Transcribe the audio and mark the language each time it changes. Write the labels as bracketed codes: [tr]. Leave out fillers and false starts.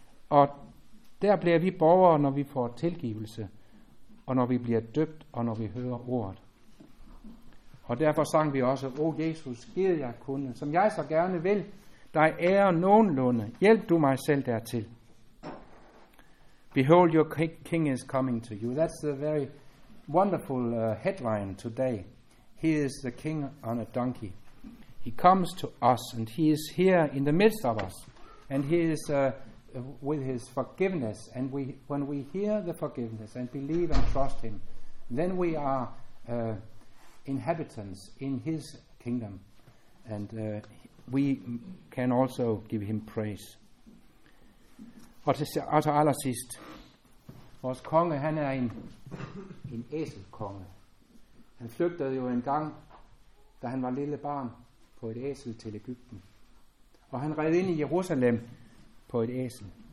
[da] Og der bliver vi borgere, når vi får tilgivelse, og når vi bliver døbt, og når vi hører ordet. Og derfor sang vi også, O Jesus, giv jer kunne, som jeg så gerne vil, dig ære nogenlunde, hjælp du mig selv dertil. [en] Behold, your king is coming to you. That's a very wonderful headline today. He is the king on a donkey. He comes to us, and he is here in the midst of us. And he is with his forgiveness. And when we hear the forgiveness and believe and trust him, then we are inhabitants in his kingdom, and we can also give him praise. [da] Og til allersidst, vores konge, han er en æselkonge. Han flygtede jo en gang da han var lille barn på et æsel til Egypten. Og han red ind i Jerusalem på et æsel.